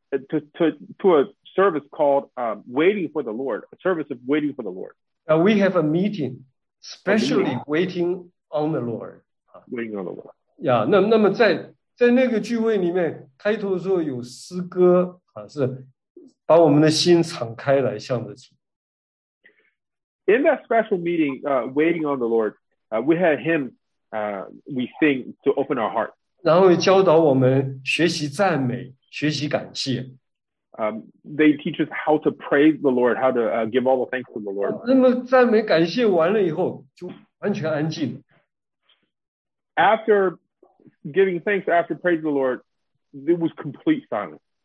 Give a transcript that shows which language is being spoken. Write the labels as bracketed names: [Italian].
[English] To a service called waiting for the Lord, a service of waiting for the Lord. We have a meeting, specially waiting on the Lord. Waiting on the Lord. [Chinese] Yeah, 那么在那个聚会里面，开头的时候有诗歌，是把我们的心敞开来向着主。In [English] that special meeting, waiting on the Lord, we had him, we sing to open our heart. [Chinese] 然后教导我们学习赞美，学习感谢。 [English] They teach us how to praise the Lord, how to give all the thanks to the Lord. [Chinese] 那么赞美感谢完了以后，就完全安静了。After [English] giving thanks, after praise the Lord, it was complete silence.